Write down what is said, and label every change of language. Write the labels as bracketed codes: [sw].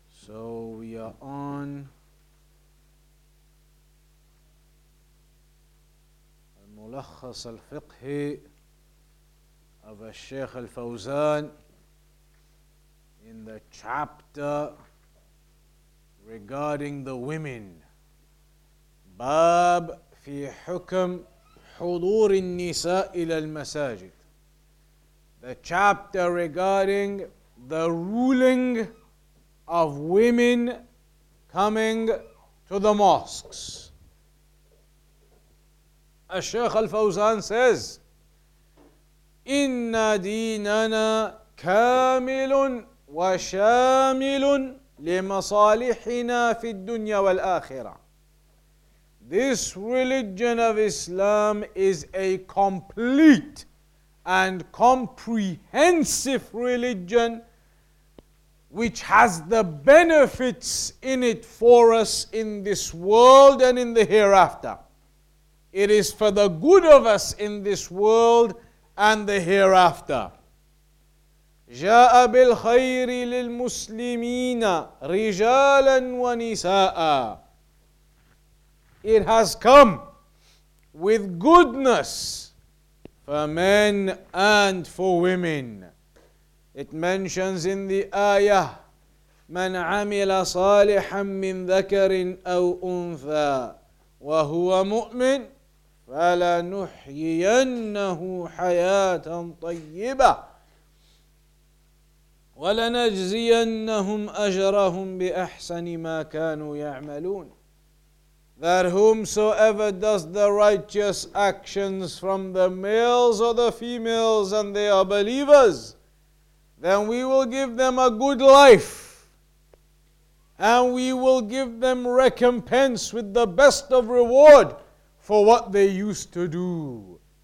[en] So we are on الملخص الفقهي of الشيخ الفوزان in the chapter regarding the women. [ar] باب في حكم حضور النساء إلى المساجد. [en] The chapter regarding the ruling of women coming to the mosques. [ar] الشيخ الفوزان says, إن ديننا كامل وشامل لمصالحنا في الدنيا والآخرة. [en] This religion of Islam is a complete and comprehensive religion which has the benefits in it for us in this world and in the hereafter. It is for the good of us in this world and the hereafter. [ar] جاء بالخير للمسلمين رجالا ونساء. [en] It has come with goodness for men and for women. It mentions in the ayah, [ar] من عمل صالحا من ذكر أو أنثى وهو مؤمن فلنحيينه حياة طيبة وَلَنَجْزِيَنَّهُمْ أَجْرَهُمْ بِأَحْسَنِ مَا كَانُوا يَعْمَلُونَ. [en] That whomsoever does the righteous actions from the males or the females and they are believers, then we will give them a good life and we will give them recompense with the best of reward for what they used to do.